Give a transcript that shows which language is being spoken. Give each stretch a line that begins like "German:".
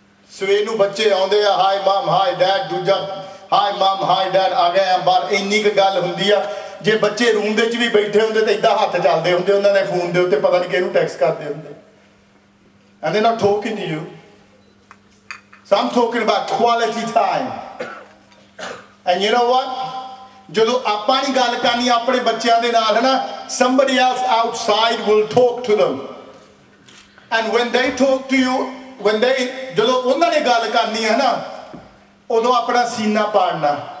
Punjabi: ਸਵੇਰ ਨੂੰ ਬੱਚੇ ਆਉਂਦੇ ਆ
English: hi mom hi dad
Punjabi: ਦੂਜਾ ਹਾਏ ਮਾਮ ਹਾਏ ਡੈਡ ਆ ਗਏ ਆ ਬਾਹਰ ਇੰਨੀ ਕੁ ਗੱਲ ਹੁੰਦੀ ਆ ਜੇ ਬੱਚੇ ਰੂਮ ਦੇ ਚ ਵੀ ਬੈਠੇ ਹੁੰਦੇ ਤੇ ਇੱਦਾਂ ਹੱਥ ਚੱਲਦੇ ਹੁੰਦੇ ਉਹਨਾਂ ਨੇ ਫੋਨ ਦੇ ਉੱਤੇ ਪਤਾ ਨਹੀਂ ਕਿਹਨੂੰ ਟੈਕਸ ਕਰਦੇ ਹੁੰਦੇ
English: And they're not talking to you. So I'm talking about quality time. And you know what?
Punjabi: ਜਦੋਂ ਆਪਾਂ ਨਹੀਂ ਗੱਲ ਕਰਨੀ ਆਪਣੇ ਬੱਚਿਆਂ ਦੇ ਨਾਲ, ਹੈ ਨਾ,
English: somebody else outside will talk to them. And when they talk to you, when they,
Punjabi: ਜਦੋਂ ਉਹਨਾਂ ਨੇ ਗੱਲ ਕਰਨੀ ਹੈ ਨਾ, ਉਦੋਂ ਆਪਣਾ ਸੀਨਾ ਪਾੜਨਾ.